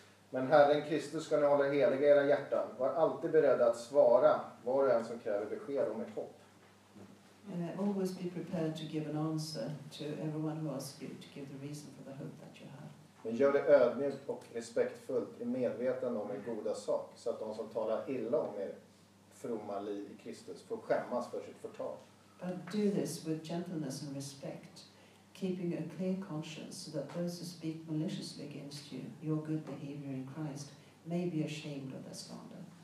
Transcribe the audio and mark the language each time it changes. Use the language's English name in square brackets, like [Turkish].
[Swedish] Men Herren Kristus ska ni hålla heliga era hjärtan. Var alltid beredda att svara var och en som kräver besked om ett hopp. [English] Always be prepared to give an answer to everyone who asks you to give the reason for the hope that you have. [Swedish] Men gör det ödmjukt och respektfullt i medveten om er goda sak så att de som talar illa om er fromma liv i Kristus får skämmas för sitt förtal. [English] But do this with gentleness and respect. Keeping a clear conscience so that those who speak maliciously against you, your good behavior in Christ, may be ashamed of their slander.